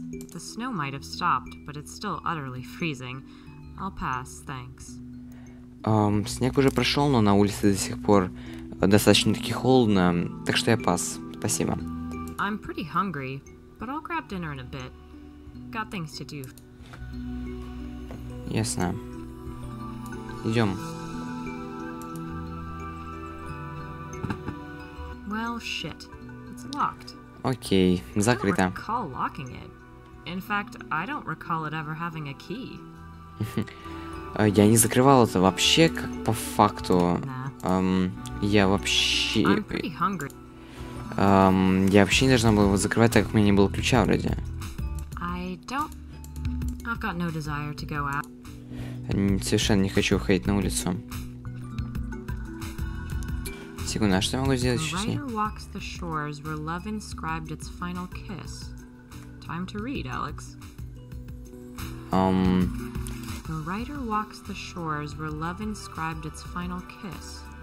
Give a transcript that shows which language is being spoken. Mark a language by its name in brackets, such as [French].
[English] The snow might have stopped, but it's still utterly freezing. I'll pass, thanks. [Russian] Снег уже прошел, но на улице до сих пор достаточно-таки холодно, так что я пас. Спасибо. [English] I'm pretty hungry, but I'll grab dinner in a bit. Got things to do. [Russian] Ясно. Идем. [English] Well, shit. It's locked. [Russian] Окей, закрыто. [English] I don't recall locking it. In fact, I don't recall it ever having a key. [Russian] Я не закрывал это вообще, как по факту. Я вообще... [English] I'm pretty hungry. [Russian] Я вообще не должна была его закрывать, так как у меня не было ключа вроде. [English] I don't... I've got no desire to go out. [Russian] Совершенно не хочу выходить на улицу. Секунду, а что я могу сделать сейчас? [English] The writer walks the shores where love inscribed its final kiss. Time to read, Alex. The writer walks the shores where love inscribed its final kiss.